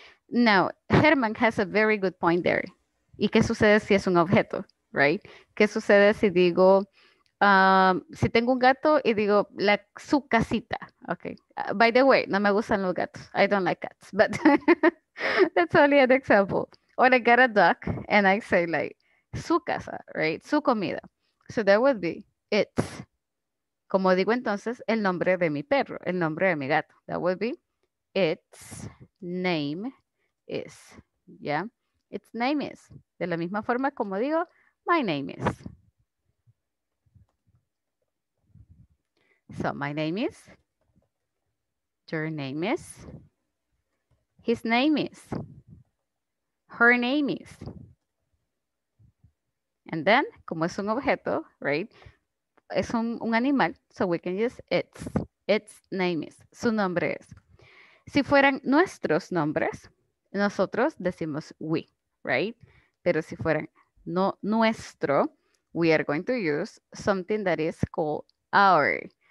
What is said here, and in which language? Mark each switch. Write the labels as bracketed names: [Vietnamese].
[English] Now, Herman has a very good point there. [Spanish] ¿Y qué sucede si es un objeto? Right? ¿Qué sucede si digo, si tengo un gato y digo, su casita? Okay. [English] By the way, [Spanish] no me gustan los gatos. [English] I don't like cats, but that's only an example. Or I got a duck and I say [Spanish] su casa, [English] right? [Spanish] Su comida. [English] So that would be it's. [Spanish] Como digo entonces, el nombre de mi perro, el nombre de mi gato. [English] That would be its name. Is, yeah, its name is, [Spanish] de la misma forma como digo, [English] my name is. So my name is, your name is, his name is, her name is. And then, [Spanish] como es un objeto, [English] right, [Spanish] es un animal, [English] so we can use its name is, [Spanish] su nombre es. Si fueran nuestros nombres, nosotros decimos we, right? Pero si fueran no nuestro, [English] we are going to use something that is called our.